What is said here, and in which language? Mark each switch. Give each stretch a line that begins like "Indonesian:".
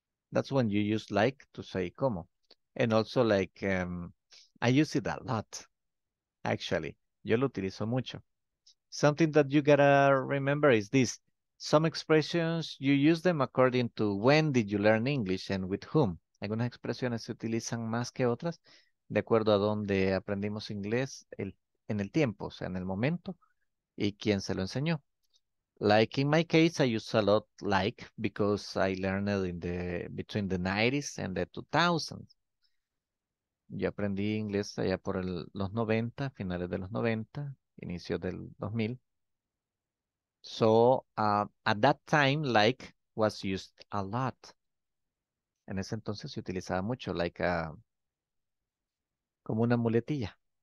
English: That's when you use like to say como. And also like, I use it a lot, actually.
Spanish: Yo lo utilizo mucho.
English: Something that you gotta remember is this. Some expressions, you use them according to when did you learn English and with whom.
Spanish: Algunas expresiones se utilizan más que otras de acuerdo a dónde aprendimos inglés en el tiempo, o sea, en el momento, y quién se lo enseñó.
English: Like in my case, I use a lot like because I learned it in the between the 90s and the 2000s.
Spanish: Yo aprendí inglés allá por los 90, finales de los 90, inicio del 2000.
English: So, at that time, like was used a lot.
Spanish: En ese entonces se utilizaba mucho, like como una muletilla.